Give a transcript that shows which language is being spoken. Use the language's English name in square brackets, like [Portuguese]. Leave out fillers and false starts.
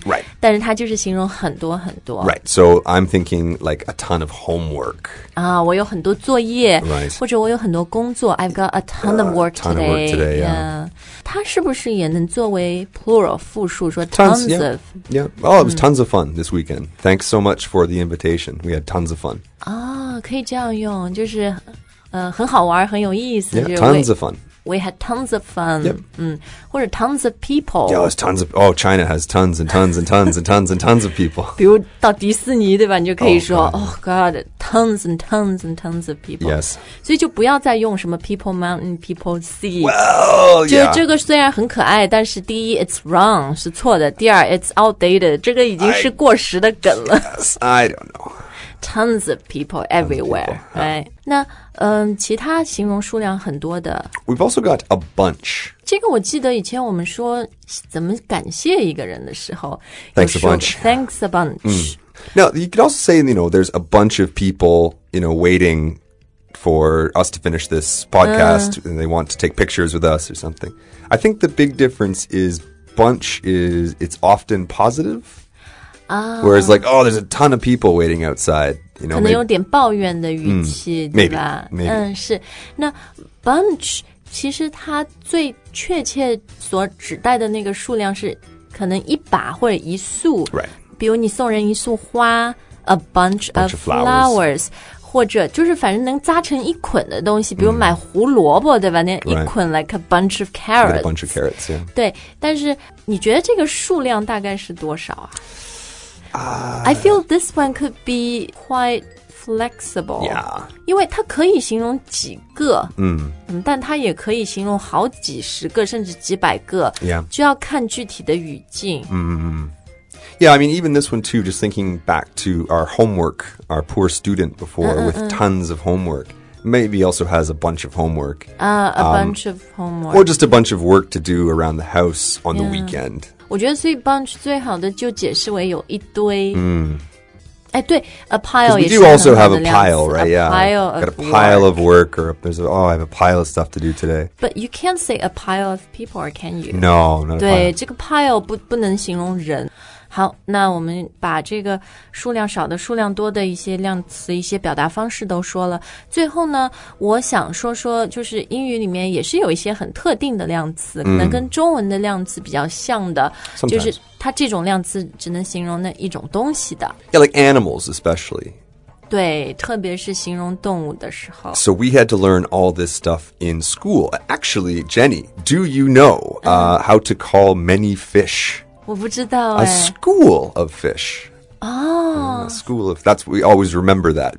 [English] Right. [Chinese] 但是它就是形容很多很多 [English] Right. So I'm thinking like a ton of homework. [Chinese] 啊、我有很多作业 [English] Right. [Chinese] 或者我有很多工作 [English] I've got a ton of work today. A ton of work today, yeah. [Chinese] 它是不是也能作为 plural, 复数说 tons, [English] tons of? Yeah. Oh, it was tons of fun this weekend. Thanks so much for the invitation. We had tons of fun. [Chinese] 啊、可以这样用就是、很好玩很有意思 [English] Yeah, tons of fun. We had tons of fun. Yep. 或者 tons of people. Yeah, it's tons of... Oh, China has tons and tons and tons and tons and tons of people. [Chinese] 比如到迪士尼对吧你就可以说 [English] oh, God, tons and tons and tons of people. Yes. [Chinese] 所以就不要再用什么 [English] people mountain, people sea. Well, yeah. [Chinese] 就这个虽然很可爱但是第一 [English] it's wrong, [Chinese] 是错的。第二 [English] it's outdated, [Chinese] 这个已经是过时的梗了。 [English] Yes, I don't know. Tons of people everywhere, of people,、 right? [Chinese] 那、其他形容数量很多的。 [English] We've also got a bunch. [Chinese] 这个我记得以前我们说怎么感谢一个人的时候。 [English] Thanks a bunch. Thanks a bunch.、 Now, you could also say, you know, there's a bunch of people, you know, waiting for us to finish this podcast,、and they want to take pictures with us or something. I think the big difference is bunch is, it's often positive. Whereas like, oh, there's a ton of people waiting outside, you know. [Chinese] 可能有点抱怨的语气、 [English] maybe, [Chinese] 对吧 [English] maybe. [Chinese] 是。那 bunch, 其实它最确切所指代的那个数量是可能一把或者一束。 [English] Right. [Chinese] 比如你送人一束花 [English] a bunch of flowers, [Chinese] 或者就是反正能扎成一捆的东西比如买胡萝卜对吧那一捆、 [English] right. like a bunch of carrots.、 With、a bunch of carrots, yeah. [Chinese] 对。但是你觉得这个数量大概是多少啊 [English] I feel this one could be quite flexible. Yeah. [Chinese] 因为它可以形容几个、嗯、但它也可以形容好几十个甚至几百个、 [English] yeah. [Chinese] 就要看具体的语境、 mm-hmm. [English] Yeah, I mean, even this one too, just thinking back to our homework, our poor student before、 mm-hmm. with tons of homeworkMaybe also has a bunch of homework. A bunch of homework. Or just a bunch of work to do around the house on、yeah. the weekend. [Chinese] 我觉得所以 bunch 最好的就解释为有一堆。哎、 mm. 对 ,a pile 也是很好的 [English] We do also have a pile, right? Yeah. Got a pile of work. Or there's I have a pile of stuff to do today. But you can't say a pile of people, can you? No, not a pile. [Chinese] 对这个 pile 不能形容人。好那我们把这个数量少的数量多的一些量词一些表达方式都说了。最后呢我想说说就是英语里面也是有一些很特定的量词、 mm. 可能跟中文的量词比较像的、 [English] Sometimes. [Chinese] 就是它这种量词只能形容那一种东西的。 [English] Yeah, like animals especially. [Chinese] 对特别是形容动物的时候。 [English] So we had to learn all this stuff in school. Actually, Jenny, do you know、how to call many fish? [Chinese] 我不知道、欸、 [English] A school of fish. Oh. A school of, that's, we always remember that.